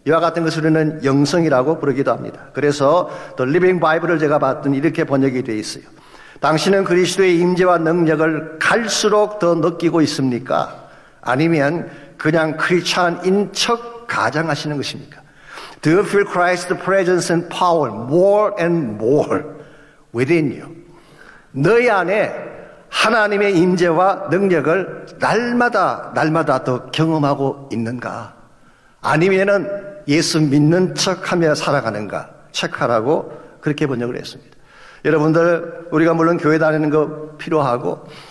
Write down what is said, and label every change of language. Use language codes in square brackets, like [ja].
[ko] 이와 같은 것을 우리는 영성이라고 부르기도 합니다. 그래서 The Living Bible을 제가 봤더니 이렇게 번역이 되어 있어요. 당신은 그리스도의 임재와 능력을 갈수록 더 느끼고 있습니까? 아니면 그냥 크리스찬인 척 가장하시는 것입니까? [en] Do you feel Christ's presence and power more and more within you? [ko] 너희 안에 하나님의 임재와 능력을 날마다 더 경험하고 있는가? 아니면은 예수 믿는 척하며 살아가는가? 체크하라고 그렇게 번역을 했습니다. 여러분들, 우리가 물론 교회 다니는 거 필요하고